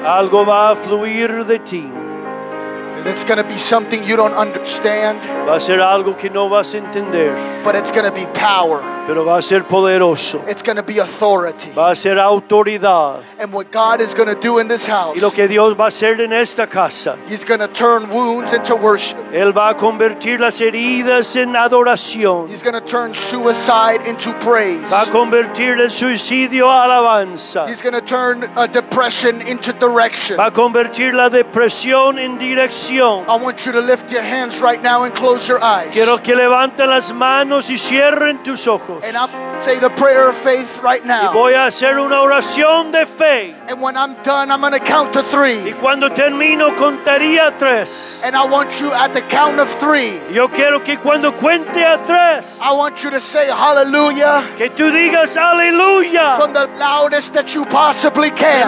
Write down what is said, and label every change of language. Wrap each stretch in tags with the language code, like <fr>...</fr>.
<es>Algo va a fluir de ti.</es> <en>And it's going to be something you don't understand.</en> <es>Va a ser algo que no vas a entender.</es> <en>But it's going to be power.</en> <es>Pero va a ser poderoso.</es> <en>It's going to be authority.</en> <es>Va a ser autoridad.</es> <en>And what God is going to do in this house.</en> <es>Y lo que Dios va a hacer en esta casa.</es> <en>He's going to turn wounds into worship.</en> <es>Él va a convertir las heridas en adoración.</es> <en>He's going to turn suicide into praise.</en> <es>Va a convertir el suicidio a alabanza.</es> <en>He's going to turn a depression into direction.</en> <es>Va a convertir la depresión en dirección.</es> <en>I want you to lift your hands right now and close your eyes.</en> <es>Quiero que levanten las manos y cierren tus ojos.</es> <en>And I'm say the prayer of faith right now.</en> <es>Y voy a hacer una oración de fe.</es> <en>And when I'm done, I'm going to count to three.</en> <es>Y cuando termino, contaría tres.</es> <en>And I want you at the count of three.</en> <es>Yo quiero que cuando cuente a tres.</es> <en>I want you to say hallelujah.</en> <es>Que tú digas aleluya.</es> <en>From the loudest that you possibly can.</en>